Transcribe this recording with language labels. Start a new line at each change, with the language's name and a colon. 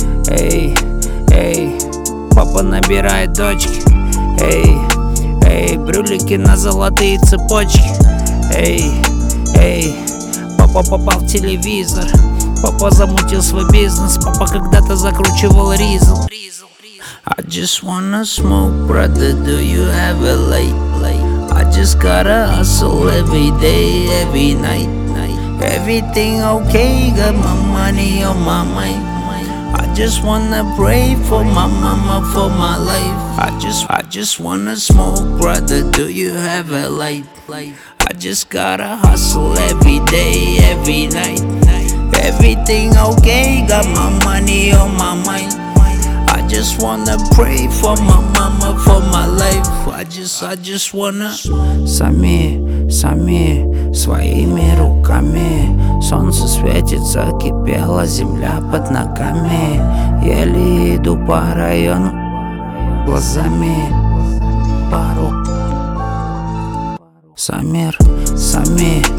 Russian: Эй, эй, папа набирает дочки. Эй, эй, брюлики на золотые цепочки. Эй, эй, папа попал в телевизор. Папа замутил свой бизнес. Папа когда-то закручивал ризл.
English: I just wanna smoke, brother, do you have a light? I just gotta hustle every day, every night. Everything okay, got my money on my mind. I just wanna pray for my mama, for my life. I just wanna smoke, brother, do you have a light? I just gotta hustle every day, every night. Everything okay, got my money on my mind. I just wanna pray for my mama, for my life. I just wanna
Russian: Сами своими руками. Солнце светит, закипела земля под ногами. Еле иду по району глазами. Пару Сами.